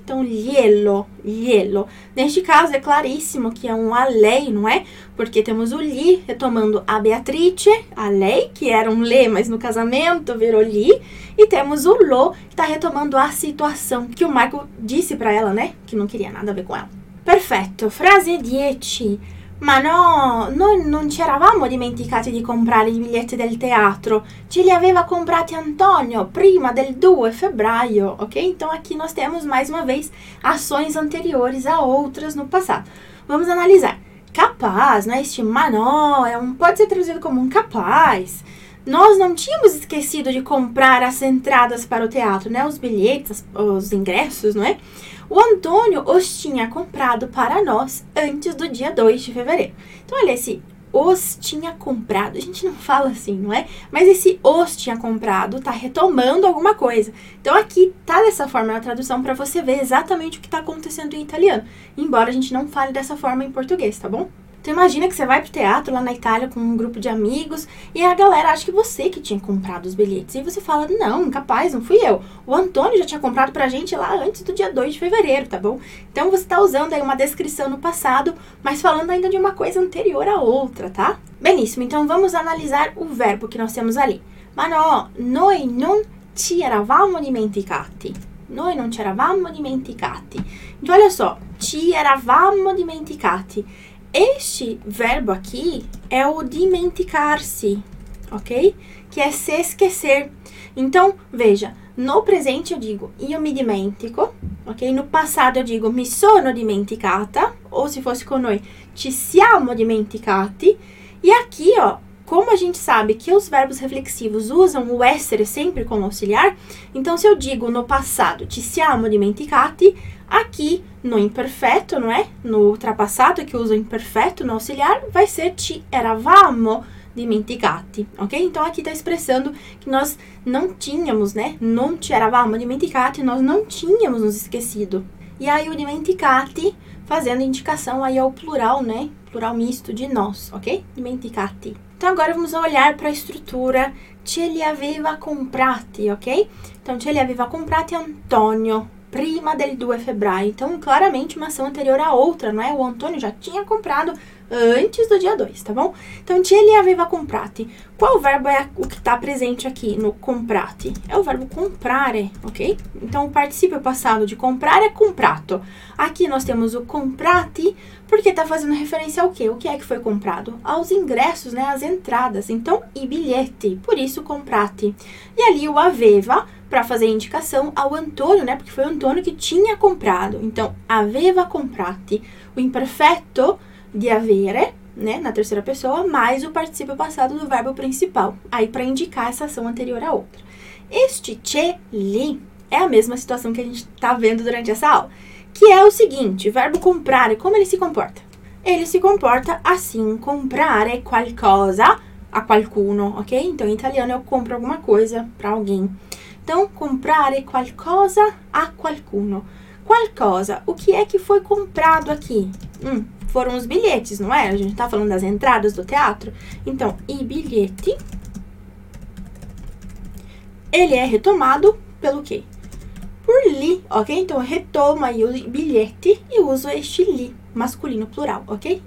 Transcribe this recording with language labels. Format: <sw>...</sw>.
<pt>Então, lielo, lielo. Neste caso, é claríssimo que é um a lei, não é? Porque temos o li, retomando a Beatrice, a lei, que era um le, mas no casamento virou li. E temos o lo, que está retomando a situação que o Marco disse para ela, né? Que não queria nada a ver com ela. Perfeito. Frase 10.</pt> <it>Ma no, noi non ci eravamo dimenticati di comprare i biglietti del teatro. Ce li aveva comprati Antonio prima del 2 febbraio, ok?</it> <pt>Então, aqui nós temos, mais uma vez, ações anteriores a outras no passado. Vamos analisar. capaz, né? Este manual é um, pode ser traduzido como um capaz. Nós não tínhamos esquecido de comprar as entradas para o teatro, né? Os bilhetes, os ingressos, não é? O Antônio os tinha comprado para nós antes do dia 2 de fevereiro. Então, olha, esse os tinha comprado, a gente não fala assim, não é? Mas esse os tinha comprado está retomando alguma coisa. Então, aqui está dessa forma a tradução para você ver exatamente o que está acontecendo em italiano. Embora a gente não fale dessa forma em português, tá bom? Então imagina que você vai pro teatro lá na Itália com um grupo de amigos e a galera acha que você que tinha comprado os bilhetes. E você fala, não, incapaz, não fui eu. O Antônio já tinha comprado pra gente lá antes do dia 2 de fevereiro, tá bom? Então você tá usando aí uma descrição no passado, mas falando ainda de uma coisa anterior à outra, tá? Beníssimo, então vamos analisar o verbo que nós temos ali.</pt> <it>Mano, noi non ci eravamo dimenticati. Noi non ci eravamo dimenticati.</it> <pt>Então olha só,</pt> <it>ci eravamo dimenticati.</it> <pt>Este verbo aqui é o dimenticar-se, ok? Que é se esquecer. Então, veja, no presente eu digo</pt> <it>io mi dimentico,</it> <pt>ok? No passado eu digo</pt> <it>mi sono dimenticata,</it> <pt>ou se fosse com noi,</pt> <it>ci siamo dimenticati.</it> <pt>E aqui, ó, como a gente sabe que os verbos reflexivos usam o essere sempre como auxiliar, então se eu digo no passado</pt> <it>ci siamo dimenticati,</it> <pt>aqui, no imperfeito, não é? No ultrapassado, que usa o imperfeito no auxiliar, vai ser</pt> <it>ci eravamo dimenticati,</it> <pt>ok? Então, aqui está expressando que nós não tínhamos, né?</pt> <it>Non ci eravamo dimenticati,</it> <pt>nós não tínhamos nos esquecido. E aí, o dimenticati, fazendo indicação aí ao plural, né? Plural misto de nós, ok? Dimenticati. Então, agora vamos olhar para a estrutura</pt> <it>ce li aveva comprati,</it> <pt>ok?</pt> <it>Então, ce li aveva comprati Antonio. Prima del 2 febbraio.</it> <pt>Então, claramente, uma ação anterior à outra, não é? O Antônio já tinha comprado antes do dia 2, tá bom?</pt> <it>Então, ci li aveva comprati.</it> <pt>Qual verbo é o que está presente aqui no comprati? É o verbo comprare, ok? Então, o participio passado de comprar é comprato. Aqui nós temos o comprati, porque está fazendo referência ao quê? O que é que foi comprado? Aos ingressos, né? As entradas. Então, i bilhete. Por isso, comprati. E ali, o aveva, para fazer indicação ao Antônio, né? Porque foi o Antônio que tinha comprado. Então,</pt> <it>aveva comprati.</it> <pt>O imperfeito de avere, né? Na terceira pessoa, mais o participio passado do verbo principal. Aí, para indicar essa ação anterior à outra. Este ce li é a mesma situação que a gente está vendo durante essa aula. Que é o seguinte, verbo comprare, como ele se comporta? Ele se comporta assim,</pt> <it>comprare qualcosa a qualcuno,</it> <pt>ok? Então, em italiano, eu compro alguma coisa para alguém.</pt> <it>Então, comprare qualcosa a qualcuno.</it> <pt>Qualcosa, o que é que foi comprado aqui? Foram os bilhetes, não é? A gente está falando das entradas do teatro. Então, i bilhete, ele é retomado pelo quê? Por li, ok? Então, retoma aí o bilhete e uso este li, masculino plural, ok?</pt>